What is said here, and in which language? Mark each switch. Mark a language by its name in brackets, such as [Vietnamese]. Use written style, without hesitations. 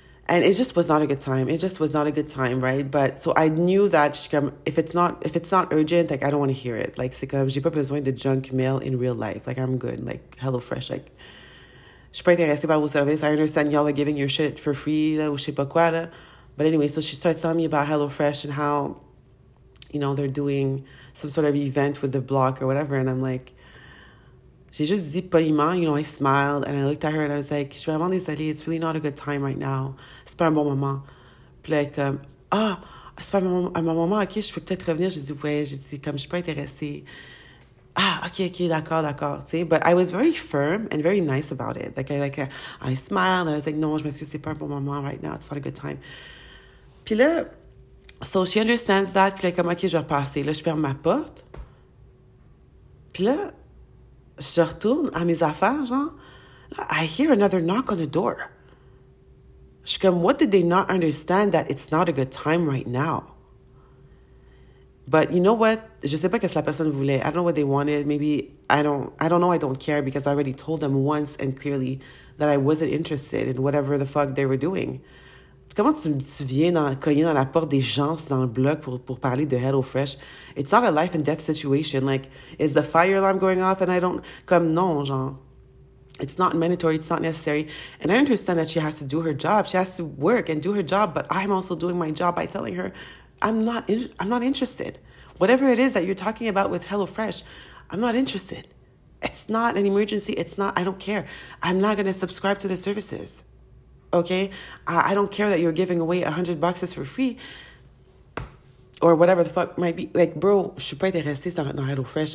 [English] And it just was not a good time. It just was not a good time, right? But so I knew that she come, if it's not urgent, like, I don't want to hear it. Like, [French] c'est comme, j'ai pas besoin de [English] junk mail in real life. Like, I'm good. Like, HelloFresh. [French] Like, je suis pas intéressée par vos services. [English] I understand y'all are giving your shit for free, là, [French] ou je sais pas quoi, là. [English] But anyway, so she starts telling me about HelloFresh and how, you know, they're doing some sort of event with the block or whatever. And I'm like, [French] j'ai juste dit poliment, [English] you know, I smiled and I looked at her and I was like, [French] je suis vraiment désolée, [English] it's really not a good time right now. [French] C'est pas un bon moment. Puis là, comme, ah, c'est pas un bon moment, ok, je peux peut-être revenir. J'ai dit, ouais, j'ai dit, comme, je suis pas intéressée. Ah, ok, d'accord, d'accord, tu sais. [English] But I was very firm and very nice about it. I smiled and I was like, [French] non, je m'excuse, c'est pas un bon moment [English] right now, it's not a good time. [French] Puis là, [English] so she understands that. [French] Puis là, comme, ok, je vais repasser. Là, je ferme ma porte. Puis là, je retourne à mes affaires, genre. [English] I hear another knock on the door. [French] Je suis comme, [English] what did they not understand that it's not a good time right now? But you know what? [French] Je sais pas qu'est-ce que la personne voulait. [English] I don't know what they wanted. Maybe, I don't know, I don't care, because I already told them once and clearly that I wasn't interested in whatever the fuck they were doing. [French] Comment tu viens cogner dans la porte des gens dans le bloc pour parler de HelloFresh? [English] It's not a life and death situation. Like, is the fire alarm going off and I don't... [French] Comme non, genre. [English] It's not mandatory. It's not necessary. And I understand that she has to do her job. She has to work and do her job. But I'm also doing my job by telling her, I'm not interested. Whatever it is that you're talking about with HelloFresh, I'm not interested. It's not an emergency. It's not... I don't care. I'm not going to subscribe to the services. Okay, I don't care that you're giving away 100 boxes for free or whatever the fuck might be. Like, bro, [French] je suis pas intéressée dans HelloFresh.